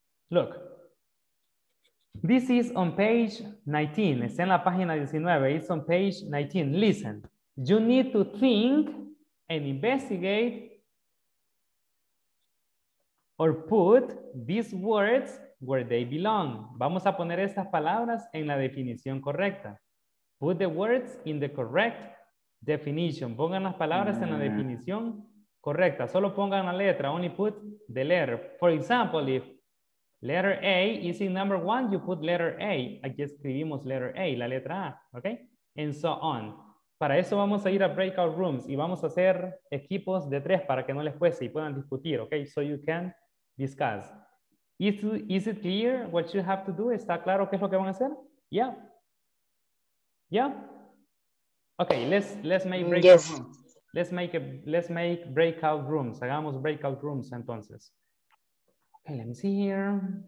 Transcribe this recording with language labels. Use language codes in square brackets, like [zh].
[en] Look. This is on page 19. [es] Está en la página 19. [en] It's on page 19. Listen. You need to think and investigate or put these words where they belong. [es] Vamos a poner estas palabras en la definición correcta. [en] Put the words in the correct definition. [es] Pongan las palabras en la definición correcta. Solo pongan la letra. [en] Only put the letter. For example, if letter A is in number one, you put letter A. [es] Aquí escribimos [en] letter A, [es] la letra A, [en] okay? And so on. [es] Para eso vamos a ir a breakout rooms y vamos a hacer equipos de tres para que no les cueste y puedan discutir, okay? [en] So you can discuss. Is it clear what you have to do? [es] ¿Está claro qué es lo que van a hacer? [en] Yeah. Yeah? Okay, let's make breakout rooms. Let's make breakout rooms. [es] Hagamos breakout rooms entonces. [en] Okay, let me see here.